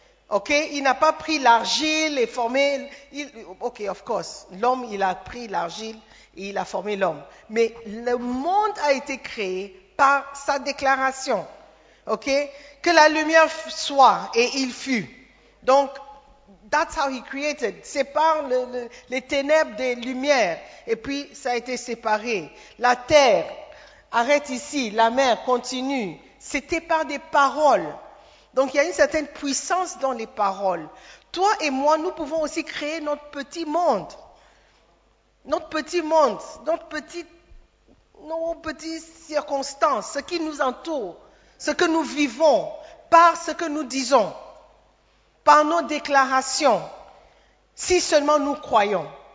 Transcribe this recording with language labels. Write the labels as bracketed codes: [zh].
[fr] Ok, il n'a pas pris l'argile et formé... Ok, [en] of course, [fr] l'homme, il a pris l'argile et il a formé l'homme. Mais le monde a été créé par sa déclaration. Ok, que la lumière soit et il fut. [en] Donc, that's how he created. [fr] C'est par les ténèbres des lumières et puis ça a été séparé. La terre arrête ici, la mer continue. C'était par des paroles. Donc, il y a une certaine puissance dans les paroles. Toi et moi, nous pouvons aussi créer notre petit monde. Notre petit monde, nos petites circonstances, ce qui nous entoure, ce que nous vivons, par ce que nous disons, par nos déclarations, si seulement nous croyons.